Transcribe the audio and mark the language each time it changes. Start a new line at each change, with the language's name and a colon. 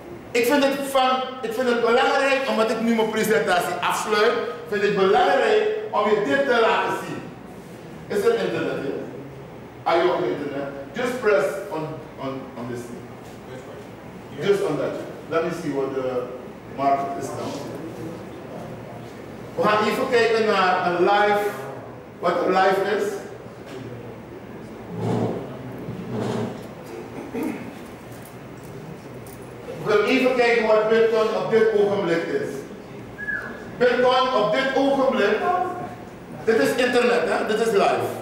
Dutch: Ik vind het belangrijk, omdat ik nu mijn presentatie afsluit, vind ik belangrijk om je dit te laten zien. Is het internet hier?
English: Are you on the internet? Just press on this thing. Yes. Just on that. Let me see what the market is now.
Dutch: We gaan even kijken naar een live, wat een live is. We gaan even kijken wat Bitcoin op dit ogenblik is. Bitcoin op dit ogenblik, dit is internet, hè? Dit is live.